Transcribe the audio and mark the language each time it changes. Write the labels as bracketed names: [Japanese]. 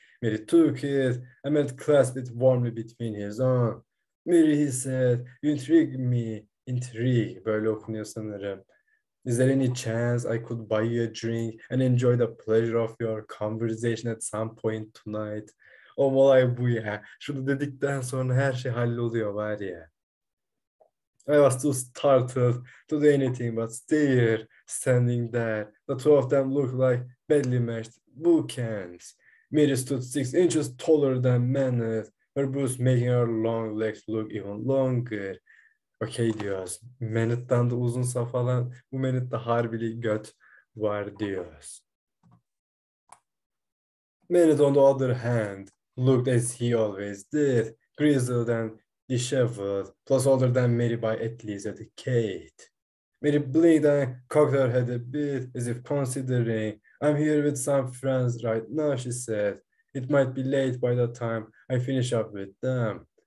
[English] Mary took it and Manet clasped it warmly between his own. Mary, he said, you intrigue me. Intrigue, [Turkish] böyle okunuyor sanırım. [English] Is there any chance I could buy you a drink and enjoy the pleasure of your conversation at some point tonight? [Turkish] O olay bu ya. Şunu dedikten sonra her şey halloluyor var ya. [English] I was too startled to do anything but stare, standing there. The two of them looked like badly matched bookends. Mary stood 6 inches taller than Manet, her boots making her long legs look even longer. [Turkish] Okay diyoruz. Manet'ten de uzunsa falan, bu Manet'te harbili göt var diyoruz. [English] Manet on the other hand looked as he always did, grizzled and disheveled, plus older than Mary by at least a decade. Mary blinked and cocked her head a bit, as if considering. I'm here with some friends right now, she said. It might be late by the time I finish up with them.